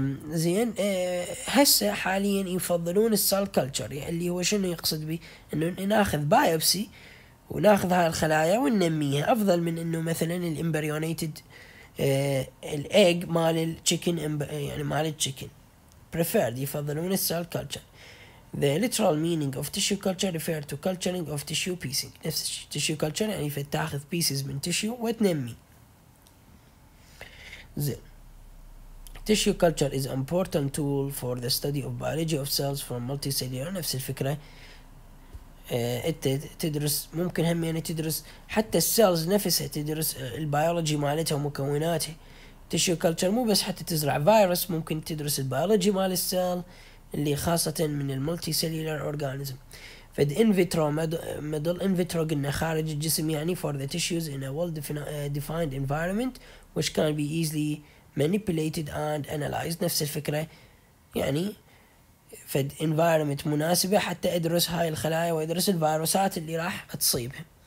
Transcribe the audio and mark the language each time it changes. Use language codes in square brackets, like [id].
[ar] زين هسه حاليا يفضلون السال كلتشر يعني اللي هو شنو يقصد به انه ناخذ بايوبسي وناخذ هاي الخلايا وننميها افضل من انه مثلا الامبريونيتد الايج مال التشيكن يعني مال التشيكن بريفيرد يفضلون السال كلتشر. [en] The literal meaning of tissue culture refer to culturing of tissue piecing. [ar] نفس التشيو كلتشر يعني فتاخذ بيسز من تشيو وتنمي. [en] زين tissue culture is an important tool for the study of biology of cells from multicellular. [ar] نفس الفكرة تدرس ممكن هم يعني تدرس حتى cells نفسها تدرس البيولوجي مالتها ومكوناتها. tissue culture مو بس حتى تزرع فيروس ممكن تدرس البيولوجي مال السيل اللي خاصة من المulticellular organism. [en] فد in vitro middle in vitro [ar] قلنا خارج الجسم يعني [en] for the tissues in a well defined environment which can be easily manipulated and analyzed. [ar] نفس الفكرة يعني فد environment مناسبة حتى ادرس هاي الخلايا وادرس الفيروسات اللي راح تصيبها.